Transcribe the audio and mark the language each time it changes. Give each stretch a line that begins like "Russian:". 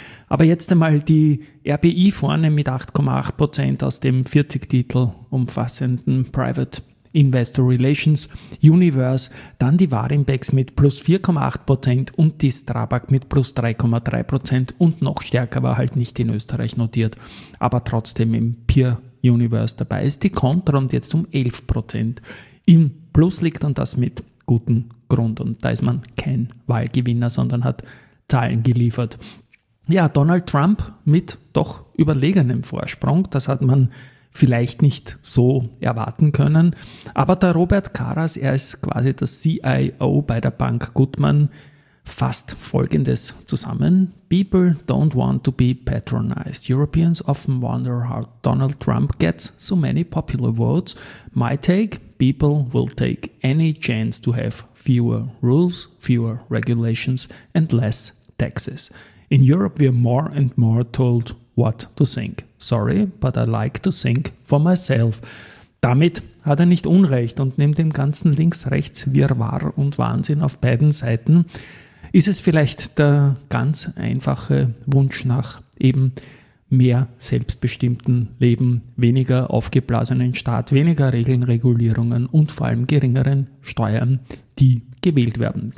German: Aber jetzt einmal die RBI vorne mit 8,8% aus dem 40 Titel umfassenden Private Investor Relations Universe, dann die Warimbex mit plus 4,8% und die Strabag mit plus 3,3% und noch stärker war halt nicht in Österreich notiert, aber trotzdem im Peer Universe dabei ist die Kontron jetzt um 11% im Plus liegt und das mit gutem Grund und da ist man kein Wahlgewinner, sondern hat Zahlen geliefert. Ja, Donald Trump mit doch überlegenem Vorsprung, das hat man vielleicht nicht so erwarten können. Aber der Robert Karas, er ist quasi der CIO bei der Bank Goodman, fasst Folgendes zusammen.
English: People don't want to be patronized. Europeans often wonder how Donald Trump gets so many popular votes. My take, people will take any chance to have fewer rules, fewer regulations and less taxes. In Europe we are more and more told what to think. Sorry, but I like to think for myself.
German: Damit hat er nicht Unrecht und neben dem ganzen Links-Rechts-Wirrwarr und Wahnsinn auf beiden Seiten ist es vielleicht der ganz einfache Wunsch nach eben mehr selbstbestimmten Leben, weniger aufgeblasenen Staat, weniger Regeln, Regulierungen und vor allem geringeren Steuern, die gewählt werden.